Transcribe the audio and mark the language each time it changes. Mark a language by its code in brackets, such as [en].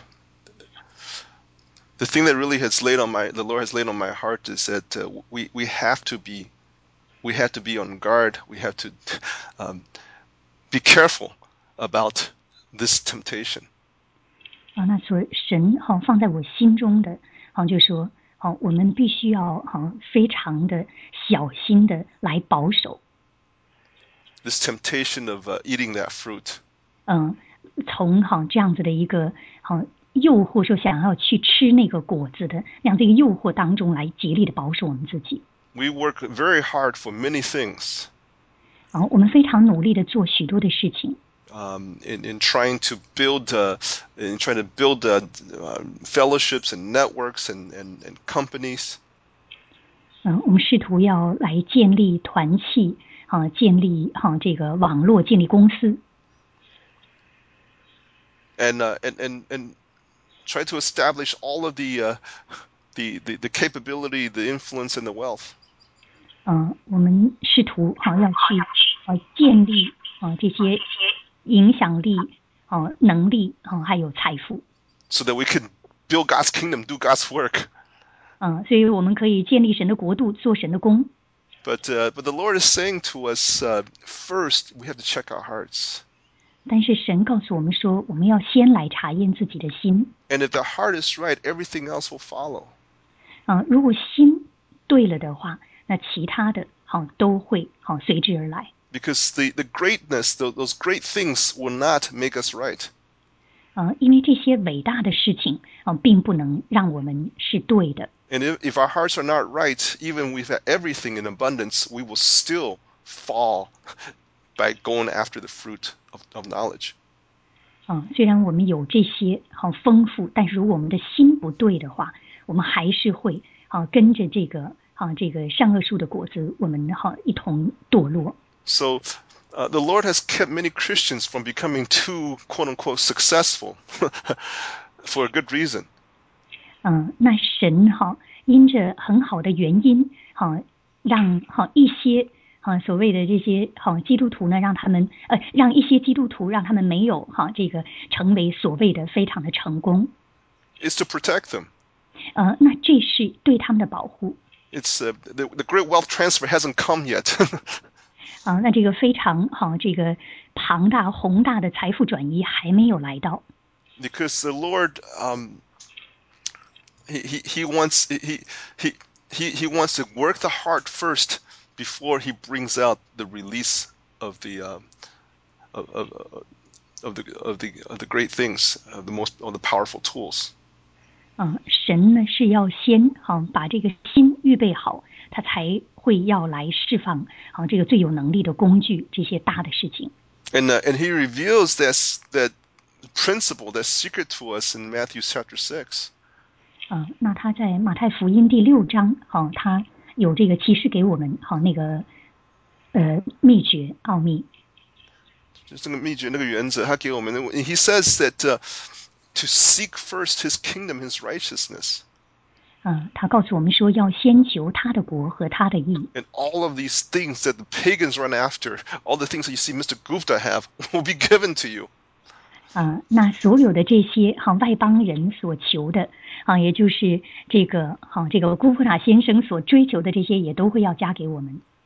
[en] And the thing that really has laid on my the Lord has laid on my heart is that we have to be on guard. We have to be careful about this temptation. [zh] 那所以神放在我心中的就说我们必须要非常的小心的来保守 [en] this temptation of eating that fruit. [zh] 从这样子的一个诱惑说想要去吃那个果子的那样的一个诱惑当中来竭力的保守我们自己。 [en] We work very hard for many things. [zh] 我们非常努力的做许多的事情。 [en] In trying to build fellowships and networks and companies. [zh] 我们试图要来建立团契建立这个网络建立公司。 [en] And try to establish all of the capability, the influence, and the wealth. [zh] 我们试图要去建立这些影响力能力还有财富。 [en] So that we can build God's kingdom, do God's work. [zh] 所以我们可以建立神的国度，做神的工。 [en] But the Lord is saying to us, first we have to check our hearts. [zh] 但是神告诉我们说，我们要先来查验自己的心。 [en] And if the heart is right, everything else will follow. [zh] 如果心对了的话，那其他的都会随之而来。 [en] Because the greatness, those great things will not make us right. [zh] 因为这些伟大的事情并不能让我们是对的。 [en] And if our hearts are not right, even with everything in abundance, we will still fall by going after the fruit of knowledge. [zh] 虽然我们有这些丰富，但是如果我们的心不对的话，我们还是会跟着这个善恶树的果子，我们一同堕落。 [en] So, the Lord has kept many Christians from becoming too, quote-unquote, successful for a good reason. [zh] 那神因着很好的原因让一些所谓的这些基督徒呢让他们让一些基督徒让他们没有这个成为所谓的非常的成功。 [en] It's to protect them. [zh] 那这是对他们的保护。 [en] It's the great wealth transfer hasn't come yet. [zh] 那这个非常这个庞大宏大的财富转移还没有来到。 [en] Because the Lord, he wants to work the heart first before he brings out the release of the great things, the powerful tools. [zh] 神呢是要先把这个心预备好，他才会要来释放这个最有能力的工具，这些大的事情。 [en] And he reveals that principle, that secret to us in Matthew chapter 6. [zh] 那他在马太福音第六章他有这个启示给我们那个秘诀奥秘。就是那个秘诀那个原则他给我们的。 [en] He says that to seek first his kingdom, his righteousness. [zh] 他告诉我们说要先求他的国和他的义。 [en] And all of these things that the pagans run after, all the things that you see Mr. Gupta have, will be given to you. [zh] 那所有的这些外邦人所求的也就是这个古普塔先生所追求的这些也都会要加给我们。